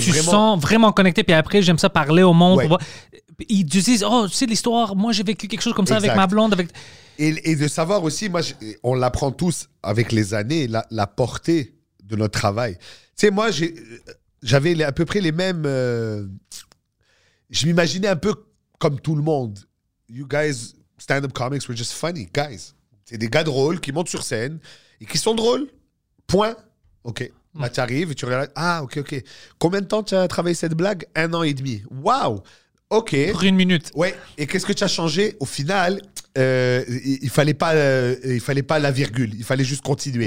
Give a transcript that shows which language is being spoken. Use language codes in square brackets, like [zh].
[fr] tu vraiment... sens vraiment connecté. Puis après, j'aime ça parler au monde. Ouais. Ils disent, oh, tu sais l'histoire. Moi, j'ai vécu quelque chose comme ça exact. Avec ma blonde, avec. Et de savoir aussi, moi, on l'apprend tous avec les années, la portée de notre travail. Tu sais, moi, j'avais à peu près les mêmes... je m'imaginais un peu comme tout le monde. [en] You guys, stand-up comics were just funny, guys. [fr] C'est des gars drôles qui montent sur scène et qui sont drôles. Point. OK. Là, tu arrives et tu regardes. Ah, OK, OK. Combien de temps tu as travaillé cette blague? 1 an et demi. Wow! OK. Pour une minute. Ouais. Et qu'est-ce que tu as changé au final? Il fallait pas la virgule, il fallait juste continuer.